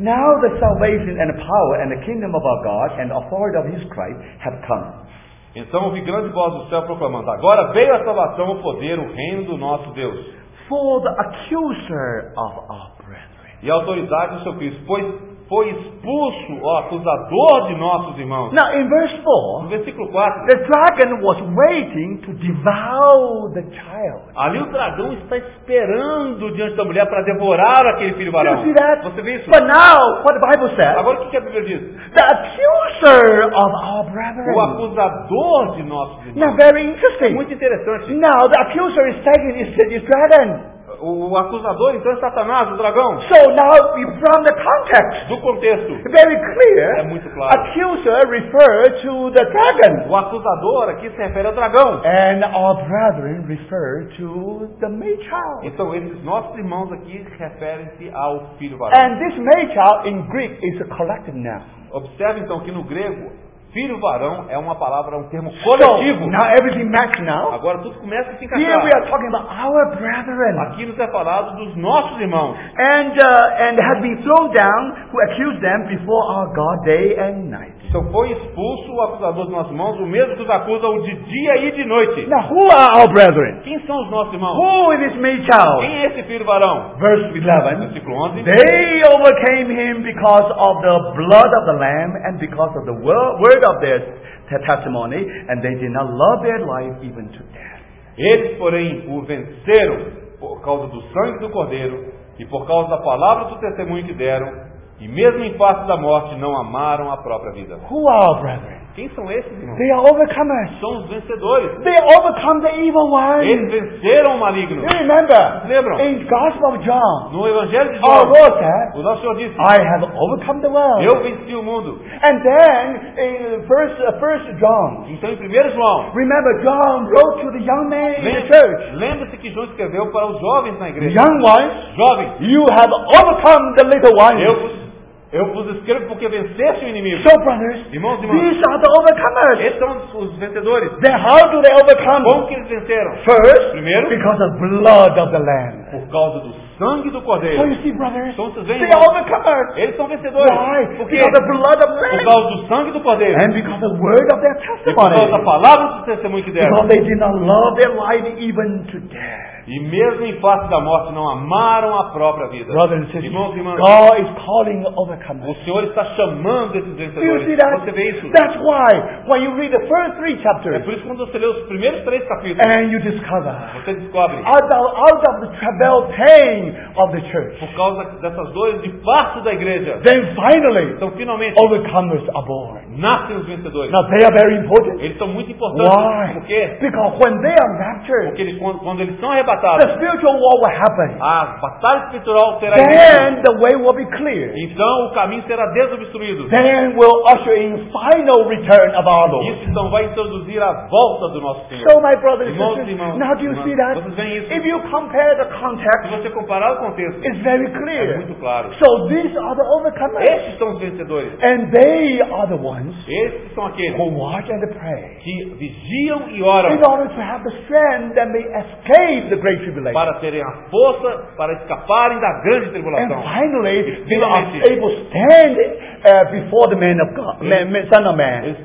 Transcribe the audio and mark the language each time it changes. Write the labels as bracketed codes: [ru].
[en] Now the salvation and the power and the kingdom of our God and the authority of his Christ have come. [pt] Então ouvi grande voz do céu proclamando: agora veio a salvação, o poder, o reino do nosso Deus. [en] For the accuser of our brethren. [pt] E a autoridade do seu Cristo, pois foi expulso o acusador de nossos irmãos. [en] Now in verse 4, [pt] no versículo 4, [en] the dragon was waiting to devour the child. [pt] Ali o dragão está esperando diante da mulher para devorar aquele filho varão. [en] You see that? [pt] Você vê isso? [en] But now, what the Bible says, [pt] agora o que a Bíblia diz? [en] The accuser of our brethren. [pt] O acusador de nossos irmãos. [en] Now, very interesting. [pt] Muito interessante. [en] Now the accuser is taking this dragon. [pt] O acusador então é Satanás, o dragão. [en] So now from the context, [pt] do contexto, [en] very clear, [pt] é muito claro. [en] Accuser refer to the dragon. [pt] O acusador aqui se refere ao dragão. [en] And our brethren refer to the May child. [pt] Então esses nossos irmãos aqui referem-se ao filho varão. [en] And this May child in Greek is a collective noun. [pt] Observe então que no grego filho varão é uma palavra, um termo coletivo. [en] So, now everything matches now. [pt] Agora tudo começa a se encaixar. [en] Here we are talking about our brethren. [pt] Aqui nos é falado dos nossos irmãos. [en] And had been thrown down who accused them before our God day and night. [pt] Então foi expulso o acusador dos nossos irmãos, o mesmo que os acusa de dia e de noite. [en] Now who are our brethren? [pt] Quem são os nossos irmãos? [en] Who is this May child? [pt] Quem é esse filho varão? [en] Verse 11. [pt] Versículo 11. [en] They overcame him because of the blood of the Lamb and because of the word of their testimony, and they did not love their life even to death. [pt] Eles, porém, o venceram por causa do sangue do Cordeiro e por causa da palavra do testemunho que deram, e mesmo em face da morte não amaram a própria vida. [en] Who are our brethren? [pt] Quem são esses irmãos? [en] They are overcomers. [pt] São os vencedores. [en] They overcome the evil one. [pt] Eles venceram o maligno. [en] You remember? [pt] Lembram? [en] In Gospel of John, [pt] no Evangelho de João, [en] our Lord said, [pt] o nosso Senhor disse, [en] I have overcome the world. [pt] Eu venci o mundo. [en] And then in first John, [pt] então em 1 João, [en] remember John wrote to the young men in the church. [pt] Lembre-se que João escreveu para os jovens na igreja. [en] Young ones, [pt] jovens, [en] you have overcome the little ones. [pt] Eu vos escrevo porque venceste o inimigo. [en] So, brothers, [pt] irmãos e irmãs, [en] these are the overcomers. [pt] Esses são os vencedores. [en] Then how do they overcome? [pt] Como que eles venceram? [en] First, [pt] primeiro, [en] because of blood of the Lamb. [pt] Por causa do sangue do Cordeiro. [en] So you see, brothers, [pt] então, vocês veem, [en] they are overcomers. [pt] Eles são vencedores. [en] Why? [pt] Porque [en] of the blood of the Lamb. [pt] Por causa do sangue do Cordeiro. [en] And because of the word of their testimony. [pt] E por causa da palavra do testemunho que deram. [en] Because they did not love their life even to death. [pt] E mesmo em face da morte não amaram a própria vida. [en] Brothers and sisters, [pt] irmãos e irmãs, [en] God is calling the overcomers. [pt] O Senhor está chamando esses vencedores. Você vê isso? [en] That's why when you read the first three chapters. [pt] É por isso que quando você lê os primeiros três capítulos. [en] And you discover. [pt] Você descobre. [en] Out of the travail pain of the church. [pt] Por causa dessas dores de parto da igreja. [en] Then finally. [pt] Então finalmente. [en] Overcomers are born. [pt] Nascem os vencedores. [en] Now they are very important. [pt] Eles são muito importantes. [en] Why? [pt] Por quê? [en] Because when they are raptured. [pt] Porque eles, quando eles são arrebatados. [en] The spiritual war will happen. [pt] A batalha espiritual terá início. [en] Then the way will be clear. [pt] Então o caminho será desobstruído. [en] Then we'll usher in final return of our Lord. [pt] Isso então vai introduzir a volta do nosso Senhor. [en] So my brothers and sisters, [pt] irmãos, [en] now do you see that? [pt] Vocês veem isso? [en] If you compare the context, [pt] se você comparar o contexto, [en] it's very clear. [pt] É muito claro. [en] So these are the overcomers. [pt] Esses são os vencedores. [en] And they are the ones. [pt] Esses são aqueles [en] who watch and pray. [pt] Que vigiam e oram. [en] In order to have the strength that may escape the great tribulation. [pt] Para terem a força para escaparem da grande tribulação. [en] And finally, they are able to stand before the man of God, son of man.